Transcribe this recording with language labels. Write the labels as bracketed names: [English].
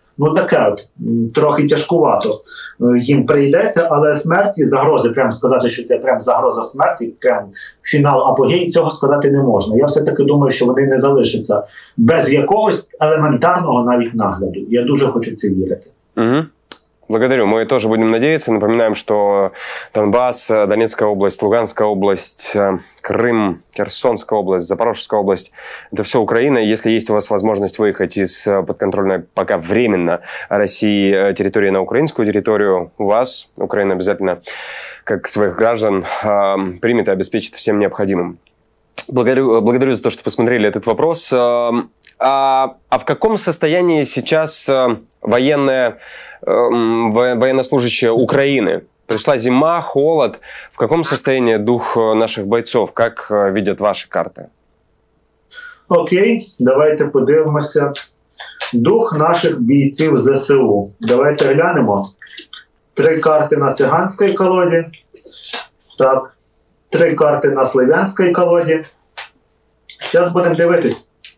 [Ukrainian] Ну таке от, трохи тяжкувато їм прийдеться, але смерті, загрози, прям сказати, що це прям загроза смерті, прям фінал апогей, цього сказати не можна. Я все-таки думаю, що вони не залишаться без якогось елементарного навіть нагляду. Я дуже хочу це вірити. [Russian] Благодарю. Мы тоже будем надеяться. Напоминаем, что Донбасс, Донецкая область, Луганская область, Крым, Херсонская область, Запорожская область – это все Украина. Если есть у вас возможность выехать из подконтрольной пока временно России территории на украинскую территорию, у вас Украина обязательно, как своих граждан, примет и обеспечит всем необходимым. Благодарю за то, что посмотрели этот вопрос. А в каком состоянии сейчас военнослужащая Украины. Пришла зима, холод. В каком состоянии дух наших бойцов? Как видят ваши карты? [Ukrainian] Окей, давайте подивимося. Дух наших бійців ЗСУ. Давайте глянемо. Три карти на циганській колоді. Так. Три карти на слов'янській колоді. Зараз будемо дивитись.